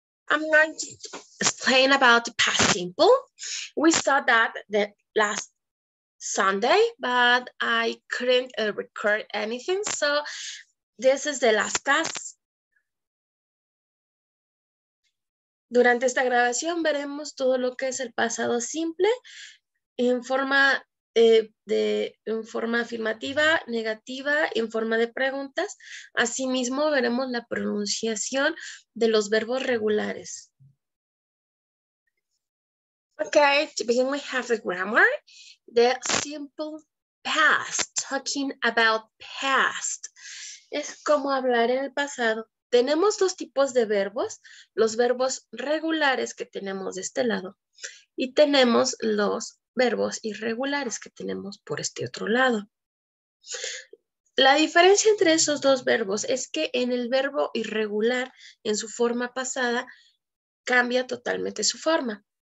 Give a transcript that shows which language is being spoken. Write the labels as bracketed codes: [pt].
[en] I'm going to explain about the past simple. We saw that the last Sunday, but I couldn't record anything, so this is the last class. [es] Durante esta grabación veremos todo lo que es el pasado simple en forma en forma afirmativa, negativa, en forma de preguntas. Asimismo, veremos la pronunciación de los verbos regulares. [en] Okay, to begin, we have the grammar, the simple past, talking about past. [es] Es como hablar en el pasado. Tenemos dos tipos de verbos, los verbos regulares que tenemos de este lado y tenemos los verbos irregulares que tenemos por este otro lado. La diferencia entre esos dos verbos es que en el verbo irregular, en su forma pasada, cambia totalmente su forma.